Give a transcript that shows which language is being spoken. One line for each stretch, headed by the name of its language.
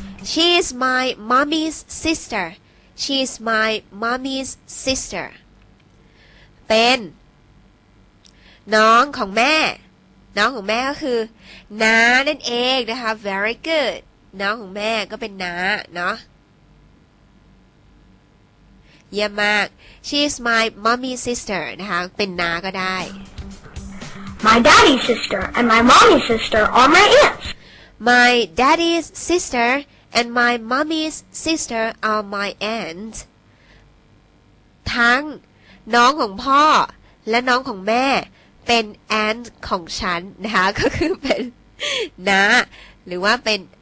English: She's my mommy's sister
Thai: She's my mommy's sister เป็นน้องของแม่น้องของแม่ก็คือน้านั่นเองนะคะ
English: Very good
Thai: น้องของแม่ก็เป็นน้าเนาะเยี่ยมมาก
English: She is my mommy's sister
Thai: นะคะเป็นน้าก็ได้
English: My daddy's sister and my mommy's sister are my aunts My daddy's sister and my mommy's sister are my aunts
Thai: ทั้งน้องของพ่อและน้องของแม่เป็น aunt ของฉันนะคะก็คือเป็นน้าหรือว่าเป็น